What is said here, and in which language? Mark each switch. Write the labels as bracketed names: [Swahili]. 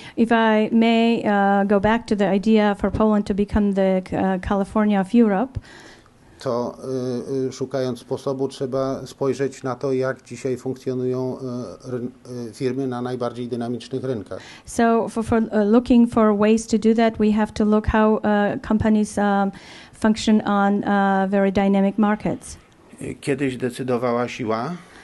[English] If I may go back to the idea for Poland to become the California of Europe. [Polish] To szukając sposobu trzeba spojrzeć na to, jak dzisiaj funkcjonują firmy na najbardziej dynamicznych rynkach. [English] So for looking for ways to do that, we have to look how companies function on very dynamic markets. [Polish] kiedyś decydowała siła.